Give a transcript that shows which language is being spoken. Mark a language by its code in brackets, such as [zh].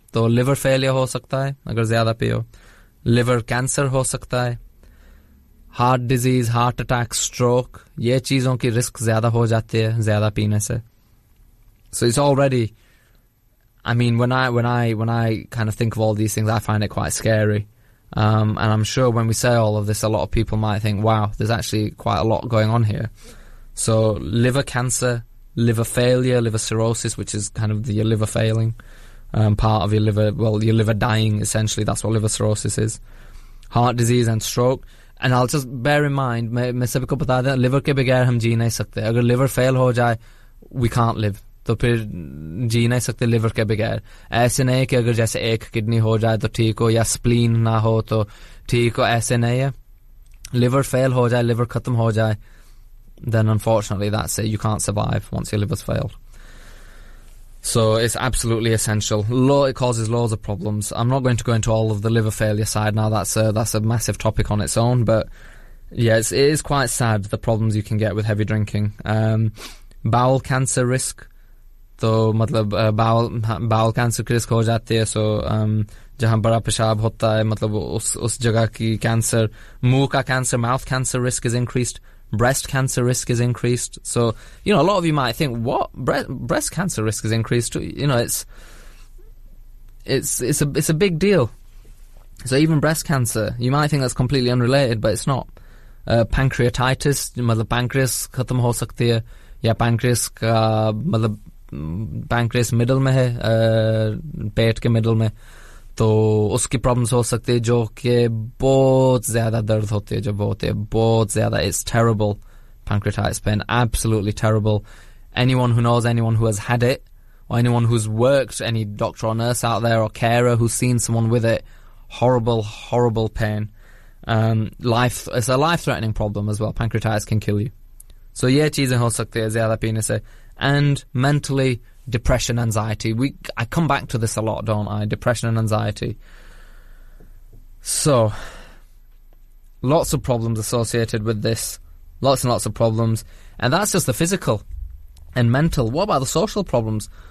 [hi] तो liver failure हो सकता है अगर ज्यादा पियो. Liver cancer हो सकता है. [en] Heart disease, heart attack, stroke. [hi] ये चीजों की risk ज्यादा हो जाती है ज्यादा पीने से. [en] So it's already, I mean, when I kind of think of all these things, I find it quite scary. And I'm sure when we say all of this, a lot of people might think, wow, there's actually quite a lot going on here. So liver cancer, liver failure, liver cirrhosis, which is kind of your liver failing, part of your liver, well, your liver dying, essentially. That's what liver cirrhosis is. Heart disease and stroke. And I'll just bear in mind, [hi] मैं सभी को बता दूँ, liver के बगैर हम जी नहीं सकते. अगर liver fail हो जाए, [en] we can't live. [hi] तो फिर जी नहीं सकते liver के बगैर. ऐसे नहीं कि अगर जैसे एक kidney हो जाए तो ठीक हो, या spleen ना हो तो ठीक हो, ऐसे नहीं है. Liver fail हो जाए, liver खत्म हो जाए, [en] then unfortunately that's it. You can't survive once your liver's failed. So it's absolutely essential. It causes loads of problems. I'm not going to go into all of the liver failure side now. That's a massive topic on its own. But yeah, it is quite sad, the problems you can get with heavy drinking. Bowel cancer risk. [hi] तो मतलब bowel cancer की risk हो जाती है. So जहाँ बड़ा पेशाब होता है, मतलब उस जगह की cancer, मुंह का cancer, [en] mouth cancer risk is increased. Breast cancer risk is increased. So, you know, a lot of you might think, what? Breast cancer risk is increased too. You know, it's a big deal. So even breast cancer, you might think that's completely unrelated, but it's not. [hi] Pancreatitis, मतलब pancreas खत्म हो सकती है, या pancreas का मतलब pancreas middle में है, पेट के middle में, तो उसकी प्रॉब्लम्स हो सकती है, जो कि बहुत ज्यादा दर्द होती है जब होती है, बहुत ज्यादा. [en] It's terrible, pancreatitis pain, absolutely terrible. Anyone who knows anyone who has had it, or anyone who has worked, any doctor or nurse out there, or carer who seen someone with it, horrible, horrible pain. Life, it's a life threatening problem as well. Pancreatitis can kill you. So [hi] ये चीजें हो सकती है ज्यादा पीने से. [en] And mentally, depression, anxiety. I come back to this a lot, don't I? Depression and anxiety. So, lots of problems associated with this. Lots and lots of problems. And that's just the physical and mental. What about the social problems?